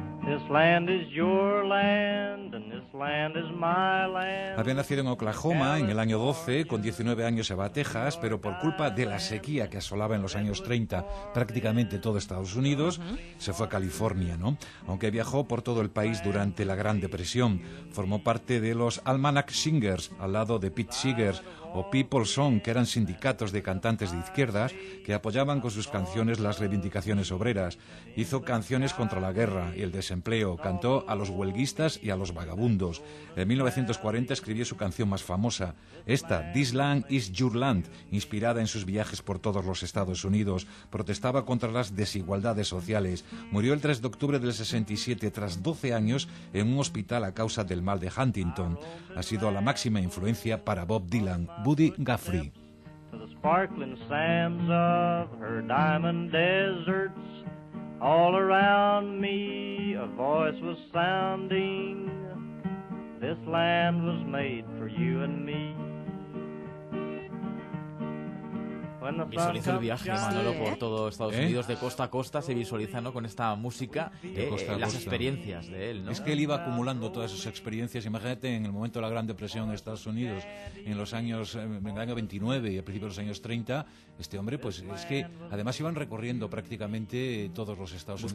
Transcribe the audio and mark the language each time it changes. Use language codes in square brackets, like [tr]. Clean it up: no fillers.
[en] This land is your land and this land is my land. [es] Había nacido en Oklahoma en el año 12, con 19 años se va a Texas, pero por culpa de la sequía que asolaba en los años 30 prácticamente todo Estados Unidos, se fue a California, ¿no? Aunque viajó por todo el país durante la Gran Depresión, formó parte de los Almanac Singers, al lado de Pete Seeger, o People Song, que eran sindicatos de cantantes de izquierdas que apoyaban con sus canciones las reivindicaciones obreras. Hizo canciones contra la guerra y el desempleo, cantó a los huelguistas y a los vagabundos. Beatles. En 1940 escribió su canción más famosa, esta, This Land Is Your Land, inspirada en sus viajes por todos los Estados Unidos. Protestaba contra las desigualdades sociales. Murió el 3 de octubre del 67, tras 12 años, en un hospital a causa del mal de Huntington. Ha sido la máxima influencia para Bob Dylan, Buddy Guthrie. [en] Sparkling sands of her diamond deserts. All around me a voice was sounding. This land was made for you and me. [es] Visualiza el viaje, Manolo, por todo Estados Unidos, de costa a costa, se visualiza, ¿no?, con esta música, las experiencias de él, ¿no? Es que él iba acumulando todas esas experiencias. Imagínate, en el momento de la Gran Depresión en Estados Unidos, en los años, en el año 29 y a principios de los años 30, este hombre, pues es que además iban recorriendo prácticamente todos los Estados Unidos.